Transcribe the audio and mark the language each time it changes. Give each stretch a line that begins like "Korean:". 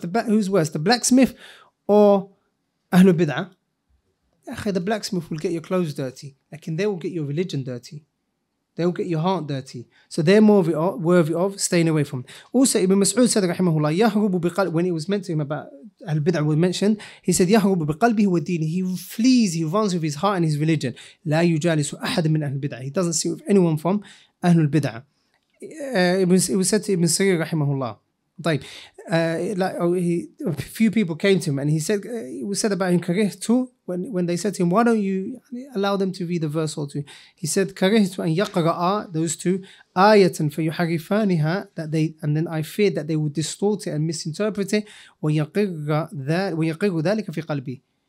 English: The blacksmith or Ahlul Bid'ah? The blacksmith will get your clothes dirty. Like, and they will get your religion dirty. They'll get your heart dirty. So they're more worthy of staying away from. Also, Ibn Mas'ud said, rahimahullah, when it was meant to him about Al-Bid'ah, we mentioned, he said,
Arabic: يَهْرُبُ بِقَلْبِهِ وَالدِّينِ.
English: He flees, he runs with his heart and his religion.
Arabic: لَا يُجَالِسُ أَحَدٍ مِّنْ أَهْلِ الْبِدْعَةِ.
English: He doesn't sit with anyone from
Arabic: أَهْلُ الْبِدْعَةِ.
English: It was said to Ibn Sirir, rahimahullah. A few people came to him and he said, it was said about him, karihtu, when they said to him, why don't you allow them to read a verse or two? He said,
Arabic: karihtu an yaqra'a,
English: those two,
Arabic: ayatan fayuharifaniha,
English: and then I feared that they would distort it and misinterpret it,
Arabic: wayaqirru dhalika fi qalbi.